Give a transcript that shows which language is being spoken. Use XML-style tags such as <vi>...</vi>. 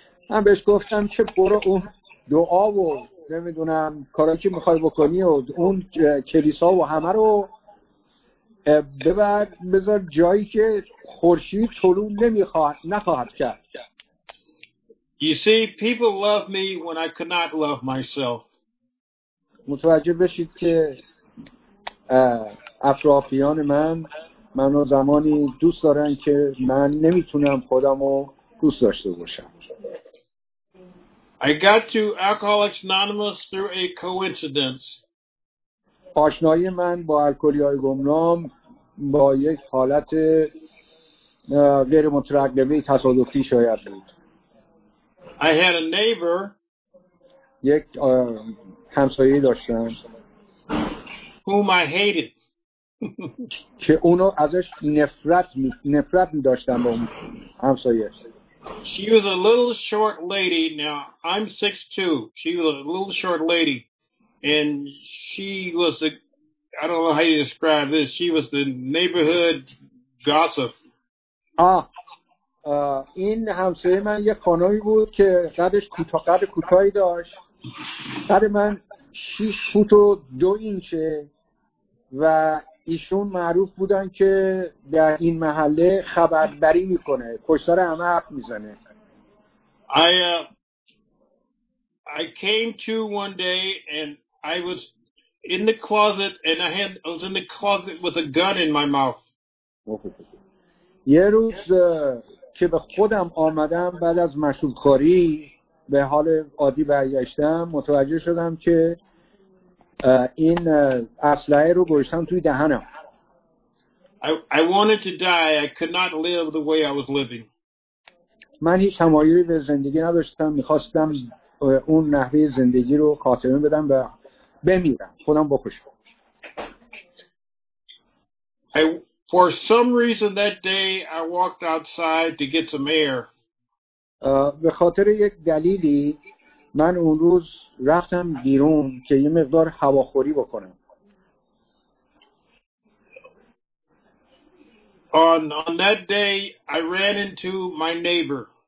<fa>من بهش گفتم که برو اون دعا و نمیدونم کارایی که میخوای بکنی و اون کلیسا و همه رو ببر بذار جایی که خورشید طلوع نمیخواد نخواهد کرد.</fa> <en>You see, people love me when I could not love myself.</en> <fa>متوجه بشید که اطرافیان من منو زمانی دوست دارن که من نمیتونم خودمو دوست داشته باشم.</fa> <en>I got to Alcoholics Anonymous through a coincidence.</en> <fa>آشنایی من با الکلی‌های گمنام با یک حالت غیر مترقبه تصادفی شاید بود.</fa> <en>I had a neighbor.</en> <fa>یک همسایه داشتم.</fa> <en>Whom I hated.</en> <fa>که اونو ازش نفرت می داشتم با اون همسایه.</fa> <en>She was a little short lady. Now I'm 6'2". She was a little short lady, and she was the—I don't know how you describe this. She was the neighborhood gossip.</en> <fa>این همسایه من یه خانومی بود که قدش قد کوتاهی داشت. قد من 6 فوت و 2 اینچه و ایشون معروف بودن که در این محله خبربری میکنه. پشتار همه حرف میزنه.</fa> <en>I came to one day and I was in the closet and I was in the closet with a gun in my mouth.</en> <fa>یه روز که به خودم آمدم بعد از مشروبخوری به حال عادی برگشتم متوجه شدم که این اسلحه رو گذاشتم توی دهنم.</fa> <en>I wanted to die. I could not live the way I was living.</en> <fa>من هیچ تمایلی به زندگی نداشتم. می‌خواستم اون نحوه زندگی رو خاتمه بدم و بمیرم. خودم بکشم.</fa> <en>For some reason that day I walked outside to get some air.</en> <fa>به خاطر یک دلیلی من اون روز رفتم بیرون که یه مقدار هواخوری بکنم.</fa> <en>On that day I ran into my neighbor.</en>